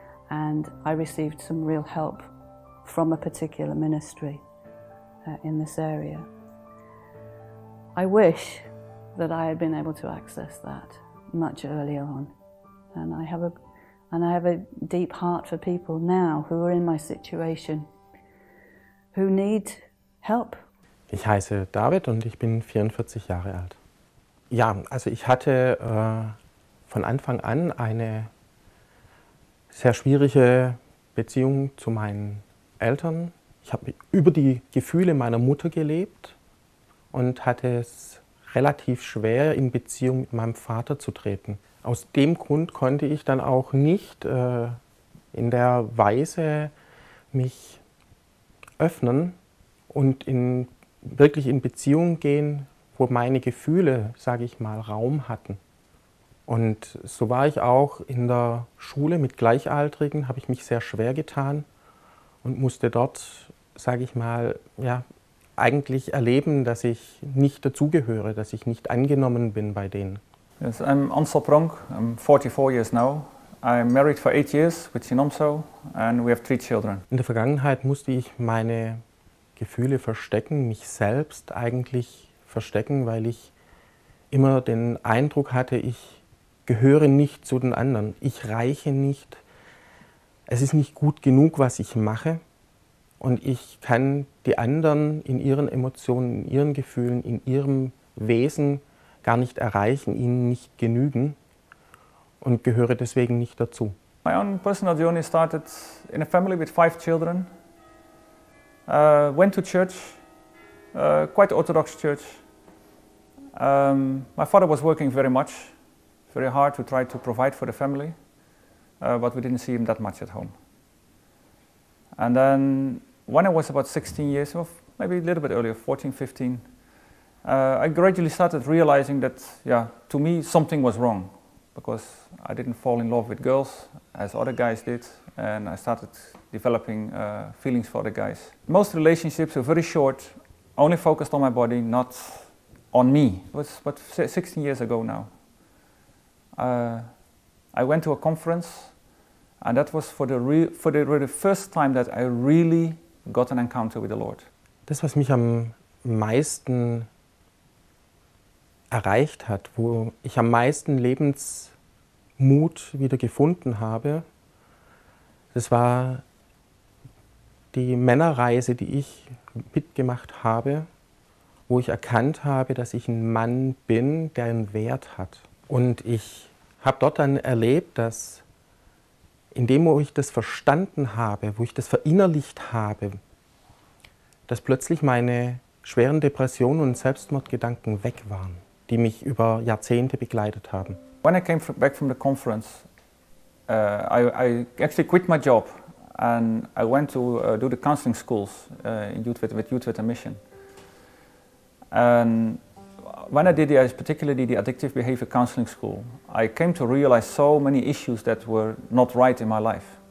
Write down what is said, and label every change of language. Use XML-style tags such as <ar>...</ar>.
<en>And I received some real help from a particular ministry in this area. I wish that I had been able to access that much earlier on. And I have a deep heart for people now who are in my situation, who need help.</en> <de>Ich heiße David und ich bin 44 Jahre alt. Ja, also ich hatte von Anfang an eine sehr schwierige Beziehung zu meinen Eltern. Ich habe über die Gefühle meiner Mutter gelebt und hatte es relativ schwer, in Beziehung mit meinem Vater zu treten. Aus dem Grund konnte ich dann auch nicht in der Weise mich öffnen und wirklich in Beziehung gehen, wo meine Gefühle, sage ich mal, Raum hatten. Und so war ich auch in der Schule mit Gleichaltrigen, habe ich mich sehr schwer getan und musste dort sage ich mal, ja, eigentlich erleben, dass ich nicht dazugehöre, dass ich nicht angenommen bin bei denen.</de> <en>Yes, I'm Ansel Pronk, I'm 44 years now. I'm married for 8 years with Sinomso and we have 3 children.</en> <de>In der Vergangenheit musste ich meine Gefühle verstecken, mich selbst eigentlich verstecken, weil ich immer den Eindruck hatte, ich gehöre nicht zu den anderen, ich reiche nicht, es ist nicht gut genug, was ich mache und ich kann die anderen in ihren Emotionen, in ihren Gefühlen, in ihrem Wesen gar nicht erreichen, ihnen nicht genügen und gehöre deswegen nicht dazu.</de> <en>My own personal journey started in a family with 5 children. Went to church, quite orthodox church. My father was working very much, very hard to try to provide for the family, but we didn't see him that much at home. And then when I was about 16 years old, maybe a little bit earlier, 14, 15, I gradually started realizing that, yeah, to me something was wrong, because I didn't fall in love with girls as other guys did, and I started developing feelings for other guys. Most relationships were very short, only focused on my body, not on me. It was about 16 years ago now. I went to a conference, and that was for the first time that I really got an encounter with the Lord.</en> <de>Das, was mich am meisten erreicht hat, wo ich am meisten Lebensmut wieder gefunden habe, das war die Männerreise, die ich mitgemacht habe, wo ich erkannt habe, dass ich ein Mann bin, der einen Wert hat. Und ich habe dort dann erlebt, dass in dem, wo ich das verstanden habe, wo ich das verinnerlicht habe, dass plötzlich meine schweren Depressionen und Selbstmordgedanken weg waren, die mich über Jahrzehnte begleitet haben.</de> <en>When I came back from the conference, I actually quit my job and I went to do the counseling schools with Youth with a Mission. And when I did particularly the addictive behavior counseling school, I came to realize so many issues that were not right in my life.</en>